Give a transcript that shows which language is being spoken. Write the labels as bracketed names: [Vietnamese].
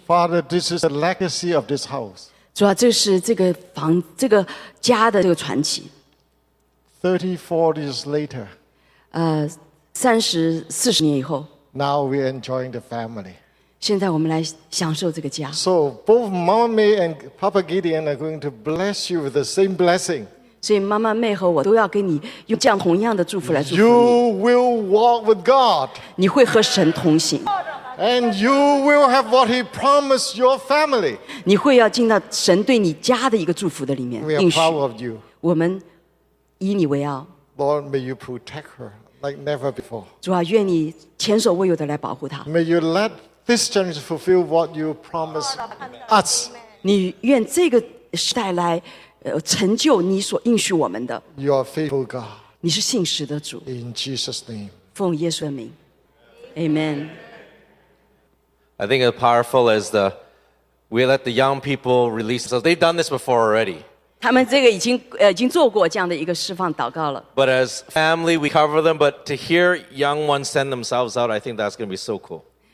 [English] Father, this is the legacy of this house. [Chinese] 主啊, 这是这个房, 这个家的这个传奇。 [English] 34 years later. [Chinese] 30-40年以后。 [English] Now we're enjoying the family. [Chinese] 现在我们来享受这个家。 [English] So both Mommy and Papa Gideon are going to bless you with the same blessing. [Chinese] 所以妈妈妹和我都要跟你用这样同样的祝福来祝福你。 [English] You will walk with God. [Chinese] 你会和神同行。 [English] And you will have what he promised your family. [Chinese] 你会要进到神对你家的一个祝福的里面。 [English] We are proud of you. [Chinese] 我们以你为傲。 [English] Lord, may you protect her like never before. [Chinese] 主啊, 愿你前所未有的来保护她。 [English] May you let this generation fulfill what you promised us. [Chinese] 你愿这个时代来 成就你所应许我们的 [English] You are faithful God [Chinese] 你是信实的主 [English] In Jesus' name [Chinese] 奉耶稣的名 Amen [English] I think as powerful as the We let the young people release so They've done this before already [Chinese] 他们这个已经做过这样的一个释放祷告了 [English] But as family we cover them But to hear young ones send themselves out I think that's going to be so cool